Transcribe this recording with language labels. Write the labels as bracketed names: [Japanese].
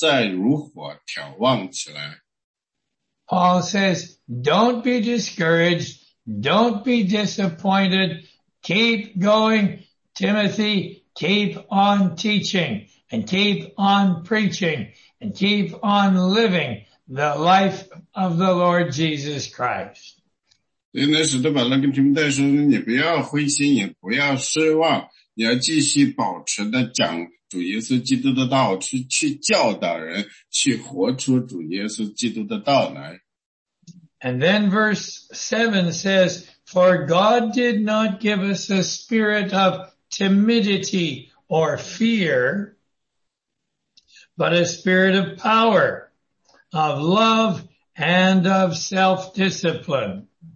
[Chinese] 所以第六节说呢，使徒保罗说，为此我提醒你，使你将神及我按手所给你的恩赐再如火眺望起来。 [English] Paul says, don't be discouraged, don't be disappointed, keep going, Timothy, keep on teaching, and keep on preaching, and keep on living the life of the Lord Jesus Christ. [Chinese] 所以那使徒保罗跟提摩太说，你不要灰心，也不要失望，你要继续保持的讲主耶稣基督的道，去教导人，去活出主耶稣基督的道来。 [English] And then verse 7 says, for God did not give us a spirit of timidity or fear, but a spirit of power, of love, and of self-discipline.